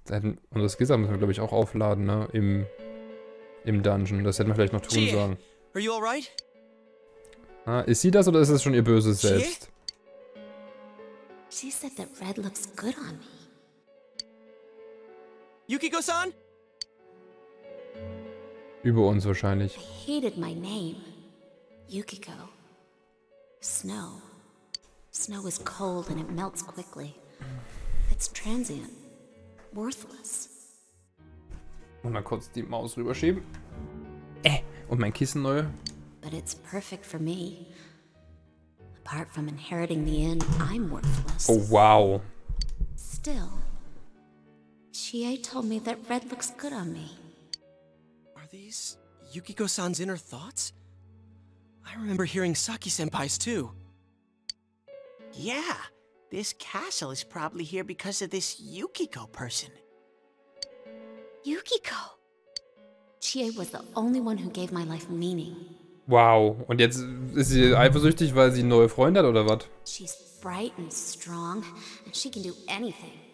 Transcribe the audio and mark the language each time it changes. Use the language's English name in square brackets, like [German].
[German] Unsere Skills müssen wir, glaube ich, auch aufladen, ne? Im Dungeon. Das hätten wir vielleicht noch tun sollen. [English] Are you all right? [German] Ah, ist sie das oder ist das schon ihr böses Selbst? [English] She said that red looks good on me. Yukiko-san? [German] Über uns wahrscheinlich. [English] I hated my name. Yukiko. Snow. Snow is cold and it melts quickly. It's transient. Worthless. [German] Und mal kurz die Maus rüberschieben. Und mein Kissen neu. [English] But it's perfect for me. Apart from inheriting the inn, I'm worthless. Oh wow. Still. Chie told me that red looks good on me. Are these Yukiko-san's inner thoughts? I remember hearing Saki-senpai's too. Yeah, this castle is probably here because of this Yukiko person. Yukiko? Chie was the only one who gave my life meaning. [German] Wow, und jetzt ist sie eifersüchtig, weil sie neue Freunde hat, oder was? [English] She's bright and strong, and she can do anything.